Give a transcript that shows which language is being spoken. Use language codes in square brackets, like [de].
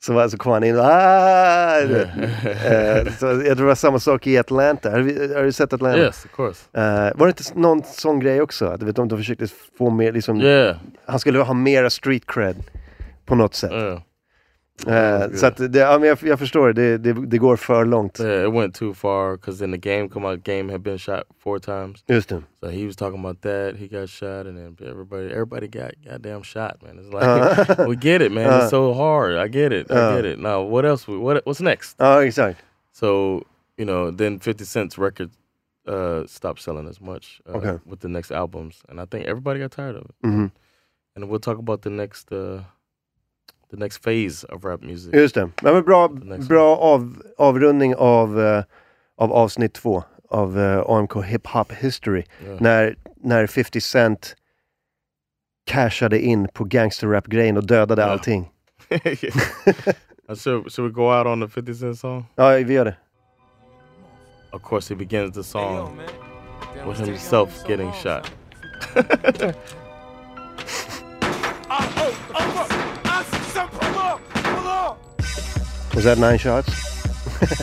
[sv] Så kom han in och så jag tror det var samma sak i Atlanta. Har du sett Atlanta? [en] Yes, of course. [sv] Var det inte någon sån grej också? Du vet, de försökte få mer liksom, han skulle ha mera street cred på något sätt. Så att det, ja, men jag förstår det går för långt. [en] Yeah, it went too far because then the game come out, game had been shot 4 times. [sv] Just det. [en] So he was talking about that, he got shot, and then everybody got goddamn shot, man. It's like uh-huh. We get it, man. Uh-huh. It's so hard. I get it. Uh-huh. I get it. Now what else? What's next? Oh, exactly. So you know, then 50 Cent's record stopped selling as much with the next albums, and I think everybody got tired of it. Mm-hmm. And we'll talk about the next. The next phase of rap music. [sv] Just det. Men bra avrundning av avsnitt 2 av AMK Hip Hop History. [en] Yeah. [sv] När 50 Cent cashade in på gangster rap grejen och dödade allting. [en] Should we go out on the 50 Cent song? [sv] Ja, vi gör det. [en] Of course he begins the song with himself getting shot. Was that 9 shots?